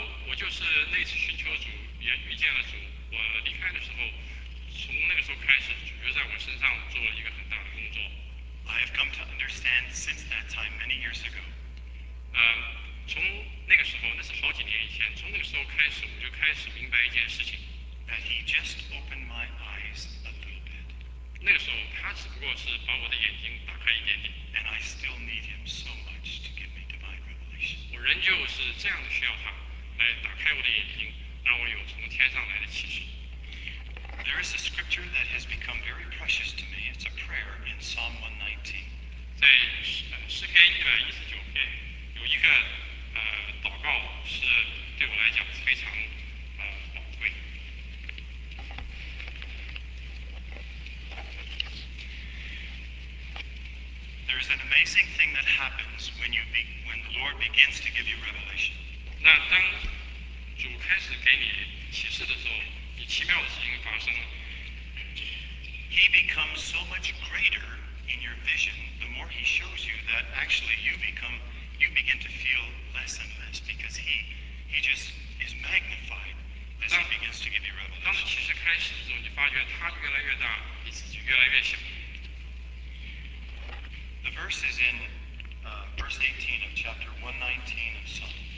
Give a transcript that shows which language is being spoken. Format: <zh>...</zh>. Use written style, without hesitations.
<zh>我就是那次寻求主，也遇见了主。我离开的时候，从那个时候开始，主就在我身上做了一个很大的工作。</zh> <en>I have come to understand since that time many years ago.</en> <zh>从那个时候，那是好几年以前。从那个时候开始，我就开始明白一件事情。</zh> <en>That he just opened my eyes a little bit.</en> <zh>那个时候，他只不过是把我的眼睛打开一点点。</zh> <en>And I still need him so much to give me divine revelation.</en> <zh>我仍旧是这样的需要他来打开我的眼睛，让我有从天上来的启示。</zh> <en>There is a scripture that has become very precious to me. It's a prayer in Psalm 119.</en> <zh>在诗篇119篇有一个祷告是对我来讲非常宝贵。</zh> <en>There is an amazing thing that happens when the Lord begins to give you revelation.</en> <zh>那当主开始给你启示的时候，你奇妙的事情发生了。</zh> <en>He becomes so much greater in your vision the more he shows you that actually you begin to feel less and less because he just is magnified as he begins to give you revelation.</en> <zh>当启示开始的时候，你发觉它越来越大，你自己越来越小。</zh> <en>The verse is in verse 18 of chapter 119 of Psalm.</en>